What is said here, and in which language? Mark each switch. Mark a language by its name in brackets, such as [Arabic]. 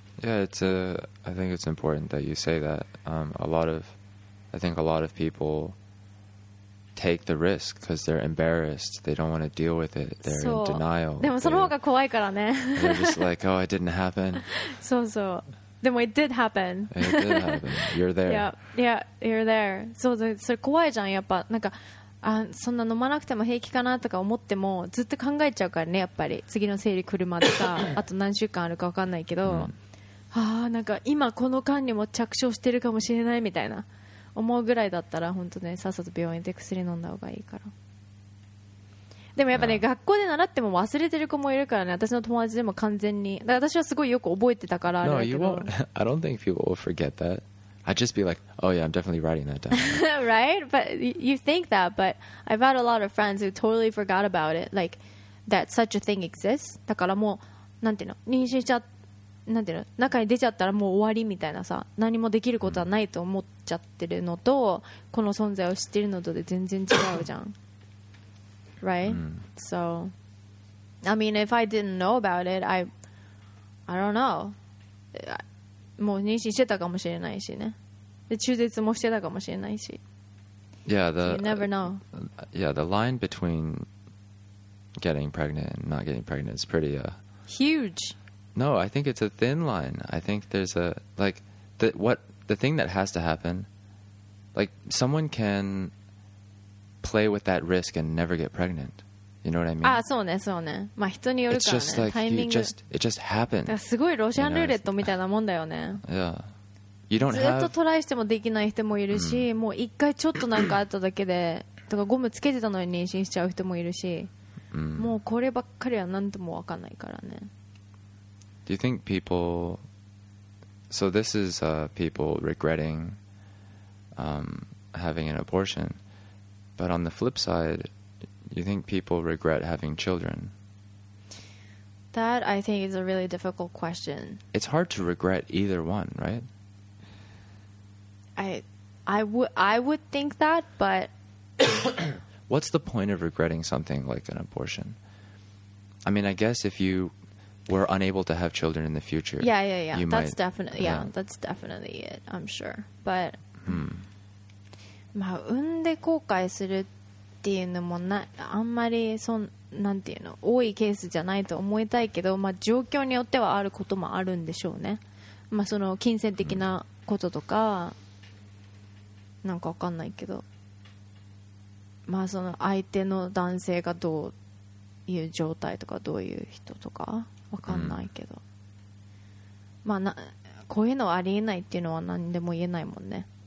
[English] Yeah, it's a, I think it's important that you say that. I think a lot of people take the risk because they're embarrassed. They don't want to deal with it. They're in denial. [Japanese] でもその方が怖いからね。 [English] They're just like, oh, it didn't happen. [Japanese] そうそう。でも [English] It did happen. You're there. Yeah, yeah, you're there. [Japanese] そうそう、それ怖いじゃん、やっぱ。なんか、あ、そんな飲まなくても平気かなとか思ってもずっと考えちゃうからね、やっぱり次の生理来るまでさ、あと何週間あるか分かんないけど、ああなんか今この間にも着床してるかもしれないみたいな思うぐらいだったら、本当ねさっさと病院で薬飲んだ方がいいから。でもやっぱね、学校で習っても忘れてる子もいるからね。私の友達でも完全に、だから私はすごいよく覚えてたからあれだけど。 [English] No, you won't. I don't think people will forget thatI'd just be like, oh yeah, I'm definitely writing that down. Right? But you think that, but I've had a lot of friends who totally forgot about it, like, that such a thing exists. [Japanese] だからもう、なんていうの、妊娠しちゃ、なんていうの、中に出ちゃったらもう終わりみたいなさ、何もできることはないと思っちゃってるのと、この存在を知ってるのとで全然違うじゃん。 [English] Right? So, I mean, if I didn't know about it, I don't know. [Japanese] もう妊娠してたかもしれないしね。で、中絶もしてたかもしれないし。 [English] Yeah, the, so、you never know. Yeah, the line between getting pregnant and not getting pregnant is pretty huge. No, I think it's a thin line. I think there's a, like, the thing that has to happen, like, someone can play with that risk and never get pregnant. You know what I mean? [Japanese] ああ、そうね、そうね。まあ人によるからね。 [English] It's just like, [Japanese] タイミング。 [English] It just happened. [Japanese] すごいロシアンルーレットみたいなもんだよね。 [English] Yeah. You don't [Japanese] ずっとトライしてもできない人もいるし、もう一回ちょっとなんかあっただけで、とかゴムつけてたのに妊娠しちゃう人もいるし、もうこればっかりは何とも分かんないからね。 [English] Do you think people... So this is people regretting having an abortion. But on the flip side... You think people regret having children? That, I think, is a really difficult question. It's hard to regret either one, right? I would think that, but... What's the point of regretting something like an abortion? I mean, I guess if you were unable to have children in the future. Yeah. That's definitely it, I'm sure. [Japanese] But, まあ、産んで後悔するっていうのもな、あんまりそん、なんていうの、多いケースじゃないと思いたいけど、まあ、状況によってはあることもあるんでしょうね。まあ、その金銭的なこととか、なんかわかんないけど、まあ、その相手の男性がどういう状態とかどういう人とかわかんないけど、まあ、こういうのはありえないっていうのは何でも言えないもんね。